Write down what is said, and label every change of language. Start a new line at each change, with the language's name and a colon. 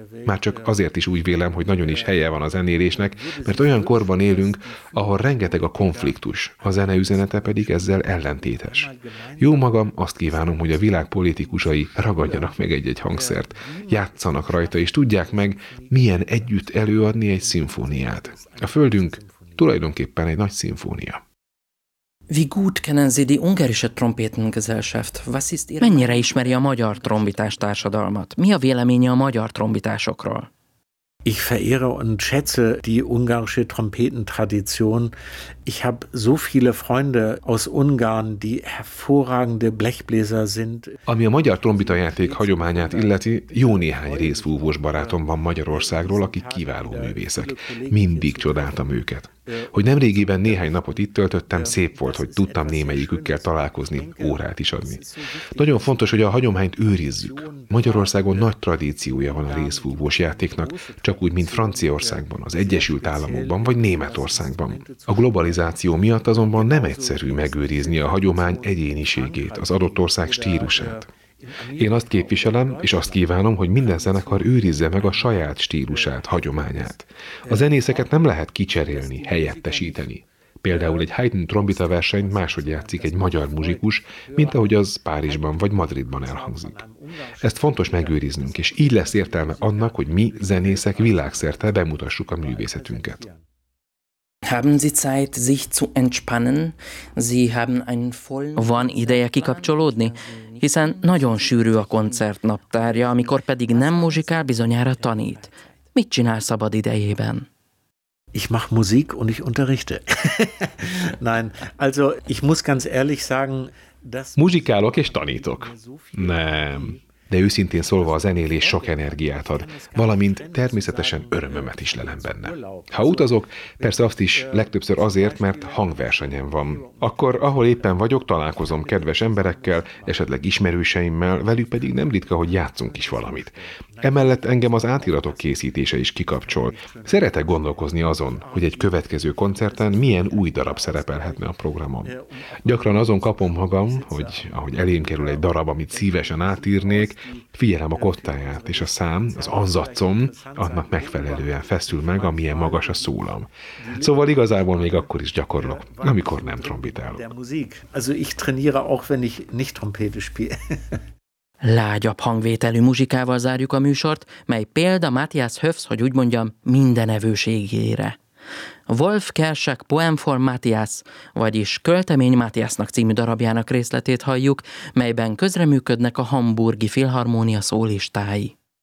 Hungarian: Már csak azért is úgy vélem, hogy nagyon is helye van a zenélésnek, mert olyan korban élünk, ahol rengeteg a konfliktus, a zene üzenete pedig ezzel ellentétes. Jó magam, azt kívánom, hogy a világ politikusai ragadjanak meg egy-egy hangszert, játszanak rajta és tudják meg, milyen együtt előadni egy szimfóniát. A Földünk tulajdonképpen egy nagy szimfónia.
German: Wie gut kennen Sie die ungarische Trompetengesellschaft? Was ist Ihre...
Hungarian: Mennyire ismeri a magyar trombitás társadalmat? Mi a véleménye a magyar trombitásokról?
German: Ich verehre und schätze die ungarische Trompetentradition. Ich habe so viele Freunde aus Ungarn, die hervorragende Blechbläser sind.
Hungarian: Ami a magyar trombitajáték hagyományát illeti, jó néhány részfúvós barátom van Magyarországról, akik kiváló művészek. Mindig csodáltam őket. Hogy nemrégiben néhány napot itt töltöttem, szép volt, hogy tudtam némelyikükkel találkozni, órát is adni. Nagyon fontos, hogy a hagyományt őrizzük. Magyarországon nagy tradíciója van a részfúvós játéknak, csak úgy, mint Franciaországban, az Egyesült Államokban vagy Németországban. A globalizáció miatt azonban nem egyszerű megőrizni a hagyomány egyéniségét, az adott ország stílusát. Én azt képviselem, és azt kívánom, hogy minden zenekar őrizze meg a saját stílusát, hagyományát. A zenészeket nem lehet kicserélni, helyettesíteni. Például egy Haydn trombita versenyt máshogy játszik egy magyar muzsikus, mint ahogy az Párizsban vagy Madridban elhangzik. Ezt fontos megőriznünk, és így lesz értelme annak, hogy mi, zenészek, világszerte bemutassuk a művészetünket.
German: Haben Sie Zeit, sich zu entspannen? Sie haben einen vollen...
Hungarian: Van ideje kikapcsolódni? Hiszen nagyon sűrű a koncertnaptárja, amikor pedig nem muzsikál, bizonyára tanít. Mit csinál szabad idejében?
German: Ich mach Musik und ich unterrichte. Nein, also ich muss ganz ehrlich sagen, dass...
Hungarian: Muzsikálok és tanítok. Nem. De őszintén szólva a zenélés sok energiát ad, valamint természetesen örömömet is lelem benne. Ha utazok, persze azt is legtöbbször azért, mert hangversenyem van. Akkor, ahol éppen vagyok, találkozom kedves emberekkel, esetleg ismerőseimmel, velük pedig nem ritka, hogy játszunk is valamit. Emellett engem az átiratok készítése is kikapcsol. Szeretek gondolkozni azon, hogy egy következő koncerten milyen új darab szerepelhetne a programon. Gyakran azon kapom magam, hogy ahogy elém kerül egy darab, amit szívesen átírnék, figyelem a kottáját, és a szám, az anzacom, annak megfelelően feszül meg, amilyen magas a szólam. Szóval igazából még akkor is gyakorlok, amikor nem trombitálok.
German: Also ich trainiere auch, wenn ich nicht Trompete spiele.
Hungarian: Lágyabb hangvételű muzsikával zárjuk a műsort, mely példa Matthias Höfs, hogy úgy mondjam, mindenevőségére. Wolf Kersek Poem for Matthias, vagyis Költemény Matthiasnak című darabjának részletét halljuk, melyben közreműködnek a Hamburgi Filharmónia szólistái.